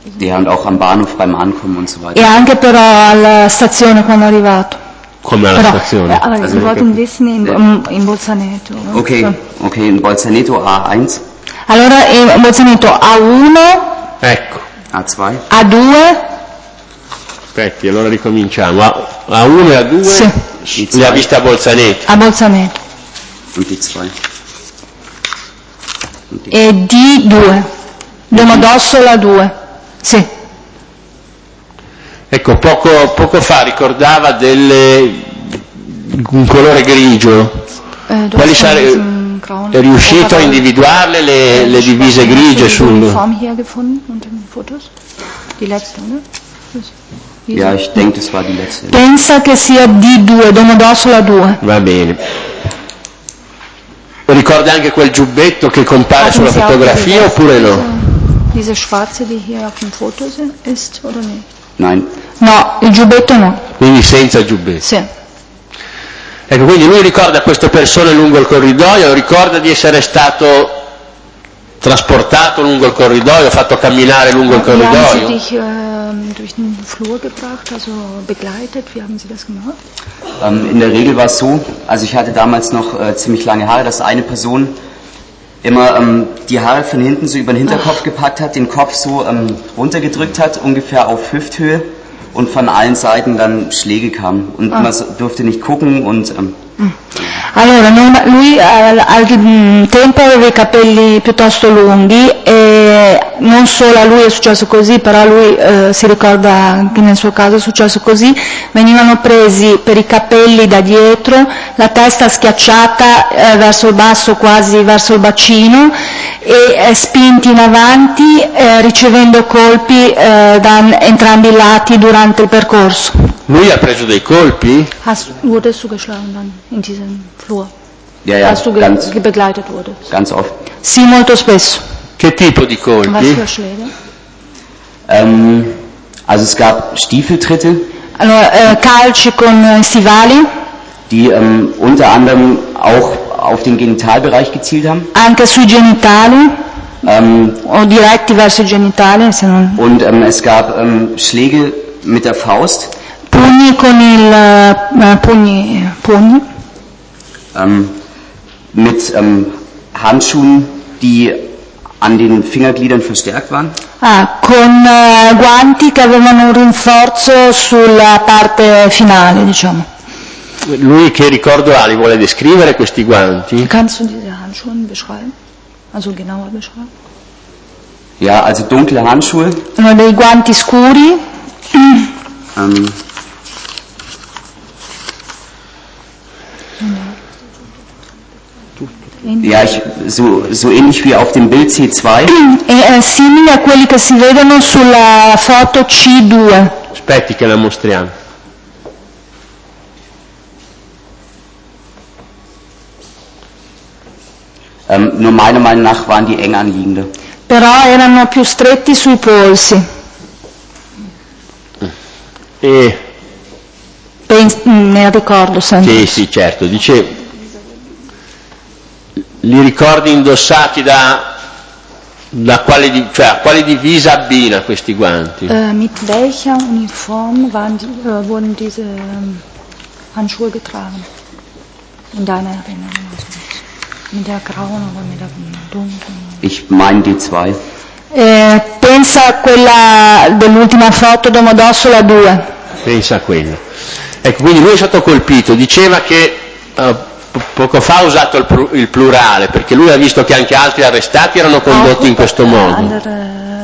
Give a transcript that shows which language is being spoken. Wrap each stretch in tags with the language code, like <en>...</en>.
<de>Die haben auch am Bahnhof beim Ankommen und so weiter.</de> <it>E anche però alla stazione quando è arrivato. Come alla stazione?</it> <de>Allora, sie wollten wissen in Bolzaneto.</de> <it>No? Okay, so. Okay, in Bolzaneto A1. Allora, in Bolzaneto A1. Ecco. A2. A2. Aspetti, allora ricominciamo. A1 e A2 sì. Le ha viste a Bolzaneto. A Bolzaneto. E D2. Domodossola 2. Sì. Ecco, poco fa ricordava delle un colore grigio. Quali sarebbe? È riuscito a individuarle le divise grigie sul</it> <de>Form hier gefunden und in Fotos die letzte, ne? Ja, ich denke, das war die letzte.</de> <it>Pensa che sia D2, Domodossola 2. Va bene. Ricorda anche quel giubbetto che compare sulla fotografia oppure no?</it> <de>Diese schwarze die hier auf dem Foto ist oder nicht? Nein.</de> <it>No, il giubbetto no. Quindi senza giubbetto. Sì. Ecco, quindi lui ricorda queste persone lungo il corridoio, ricorda di essere stato trasportato lungo il corridoio, fatto camminare lungo il corridoio.</it> <de>Wie haben Sie dich durch den Flur gebracht, also begleitet, wie haben Sie das gemacht? In der Regel war es so, also ich hatte damals noch ziemlich lange Haare, dass eine Person immer die Haare von hinten so über den Hinterkopf gepackt hat, den Kopf so runtergedrückt hat, ungefähr auf Hüfthöhe. Und von allen Seiten dann Schläge kamen und man durfte nicht gucken und</de> <it>Allora, lui al tempo aveva i capelli piuttosto lunghi e non solo a lui è successo così, però lui si ricorda che nel suo caso è successo così, venivano presi per i capelli da dietro, la testa schiacciata verso il basso, quasi verso il bacino e spinti in avanti ricevendo colpi da entrambi i lati durante il percorso. Lui ha preso dei colpi?</it> <de>Wurdest du geschlagen dann in diesem Flur? Ja, ja. Hast du begleitet wurdest? Ganz oft.</de> <it>Sì, molto spesso. Che tipo di colpi?</it> <de>Was für Schläge? Also es gab Stiefeltritte.</de> <it>Allora, calci con stivali.</it> <de>Die unter anderem auch auf den Genitalbereich gezielt haben.</de> <it>Anche sui genitali. O diretti verso i genitali, se non.</it> <de>Und es gab Schläge mit der Faust.</de> <it>Pugni con il pugni.</it> <de>Mit Handschuhen, die an den Fingergliedern verstärkt waren.</de> <it>Ah, con guanti che avevano un rinforzo sulla parte finale, diciamo. Lui che ricordo ha, li vuole descrivere questi guanti?</it> <de>Kannst du diese Handschuhe beschreiben? Also genauer beschreiben? Ja, also dunkle Handschuhe.</de> <it>No, dei guanti scuri. In</it> <de>Ja, ich, so ähnlich wie auf dem Bild C2.</de> <it>Simile a quelli che si vedono sulla foto C2. Aspetti che la mostriamo.</it> <de>Nur meiner Meinung nach waren die eng anliegende.</de> <it>Però erano più stretti sui polsi. E ne ricordo sempre. Sì, sì, certo. Dice, li ricordi indossati da quale, cioè, quale divisa abbina questi guanti?</it> <de>Mit welcher Uniform wurden diese Handschuhe getragen? In deiner Erinnerung? Mit der grauen oder mit der dunklen? Ich meine die zwei.</de> <it>Pensa a quella dell'ultima foto, Domodossola 2. Pensa a quella. Ecco, quindi lui è stato colpito, diceva che poco fa ha usato il plurale, perché lui ha visto che anche altri arrestati erano condotti in questo modo.</it>